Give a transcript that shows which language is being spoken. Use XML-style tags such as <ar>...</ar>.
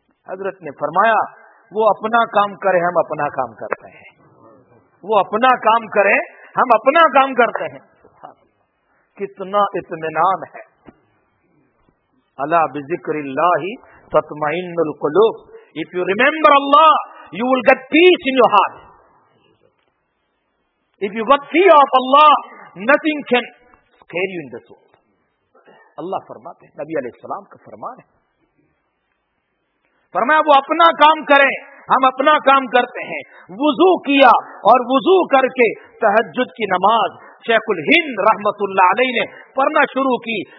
<ur>حضرت نے فرمایا وہ اپنا کام کرے ہم اپنا کام کرتے ہیں, وہ اپنا کام کرے ہم اپنا کام کرتے ہیں. کتنا اطمینان ہے.</ur> <ar>اللہ بذکر اللہ تطمئن القلوب.</ar> <en>If you remember Allah, you will get peace in your heart. If you got fear of Allah, nothing can scare you in this world.</en> <ur>Allah فرماتے ہیں, نبی علیہ السلام کا فرمان ہے, فرمایا وہ اپنا کام کریں ہم اپنا کام کرتے ہیں. وضو کیا اور وضو کر کے تہجد کی نماز شیخ الہند رحمت اللہ علیہ نے پڑھنا شروع کی.</ur>